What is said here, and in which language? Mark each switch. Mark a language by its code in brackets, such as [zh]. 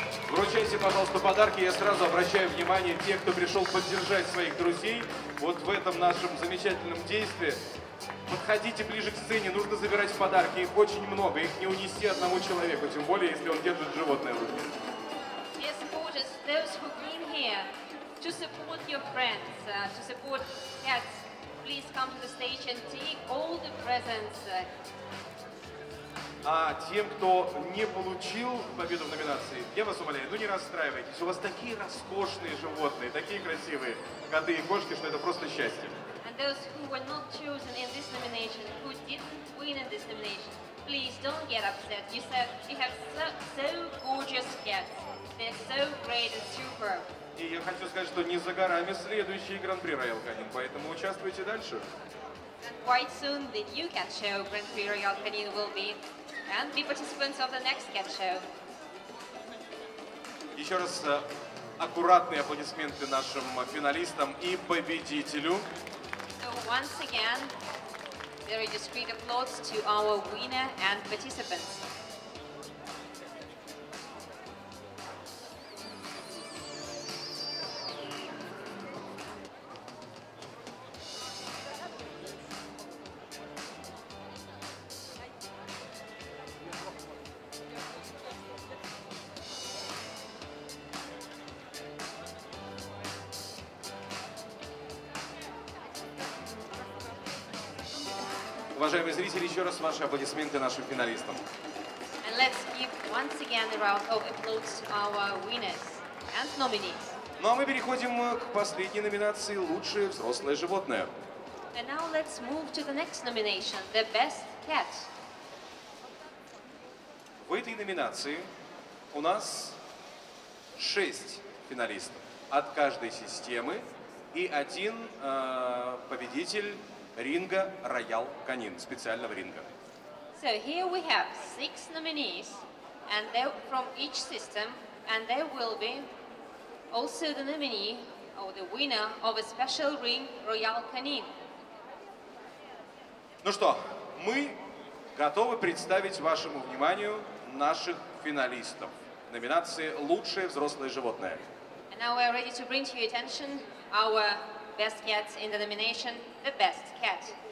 [ru] Вручайте, пожалуйста, подарки. Я сразу обращаю внимание тех, кто пришел поддержать своих друзей. Вот в этом нашем замечательном действии подходите ближе к сцене, нужно забирать подарки, их очень много, их не унести одному человеку, тем более, если он держит животное в руке. [en] Dear supporters, those who came here to support your friends, to support cats, please come to the station, take all the presents. [ru] А тем, кто не получил победу в номинации, я вас умоляю, ну не расстраивайтесь. У вас такие роскошные животные, такие красивые коты и кошки, что это просто счастье. [en] And those who were not chosen in this nomination, who didn't win in this nomination, please don't get upset. You have so gorgeous cats. They're so great and superb. [ru] И я хочу сказать, что не за горами следующий гран-при Royal Canin, поэтому участвуйте дальше. [en] And quite soon the new cat show Grand Prix Royal Canin will be. And be participants of the next cat show. [ru] Еще раз аккуратные аплодисменты нашим финалистам и победителю. [en] So once again, very discreet applause to our winner and participants. [ru] Уважаемые зрители, еще раз ваши аплодисменты нашим финалистам. [en] And let's give once again a round of applause to our winners and nominees. [ru] Ну а мы переходим к последней номинации «Лучшее взрослое животное». [en] And now let's move to the next nomination, the best cat. [ru] В этой номинации у нас 6 финалистов от каждой системы и один победитель ринга Royal Canin, специального ринга. [en] So here we have 6 nominees and they're from each system and there will be also the nominee or the winner of a special ring Royal Canin. [ru] Ну что, мы готовы представить вашему вниманию наших финалистов номинации «Лучшее взрослое животное». [en] And now we're ready to bring to your attention our best cats in the nomination, the best cat.